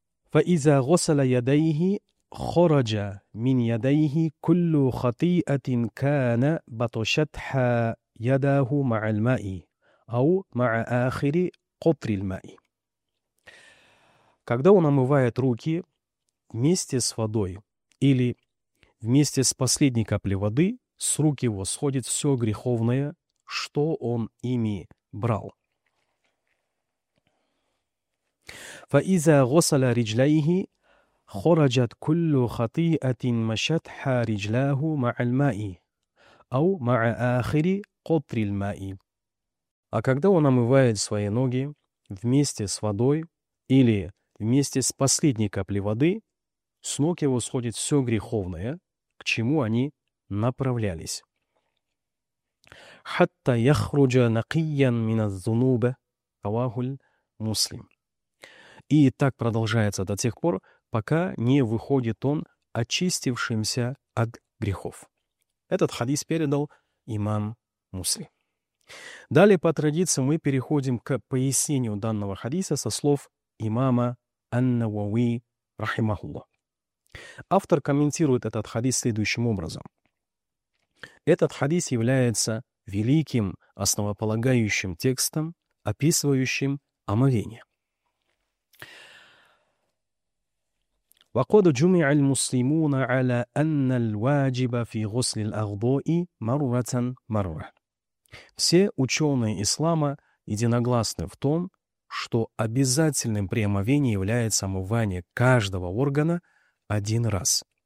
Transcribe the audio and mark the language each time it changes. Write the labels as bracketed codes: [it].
[ar] فَإِذَا غَسَلَ يَدَيْهِ خَرَجَ مِنْ يَدَيْهِ كُلُّ خَطِيئَةٍ كَانَ بَطُشَتْحَ يَدَاهُ مَعَ الْمَاءِ أَوْ مَعَ آخِرِ قُطْرِ الْمَاءِ. [ru] Когда он омывает руки вместе с водой или вместе с последней каплей воды, с рук его сходит все греховное, что он ими брал. [ar] فَإِذَا غَسَلَ رِجْلَيْهِ خرجت كل خطيئة مشتها رجلاه مع الماء أو مع آخر قطر الماء. [ru] А когда он омывает свои ноги вместе с водой или вместе с последней каплей воды, с ног его сходит все греховное, к чему они направлялись. [ar] حتى يخرج نقيا من الذنوب رواه المسلم. [ru] И так продолжается до тех пор, пока не выходит он очистившимся от грехов. Этот хадис передал имам Муслим. Далее по традиции мы переходим к пояснению данного хадиса со слов имама Ан-Науи рахимахулла. Автор комментирует этот хадис следующим образом. Этот хадис является великим основополагающим текстом, описывающим омовение. [ar] وقد جمع المسلمون على أن الواجب في غسل الأعضاء مرة مرة. [ru] Все ученые ислама единогласны в том, что обязательным при омовении является омывание каждого органа один раз.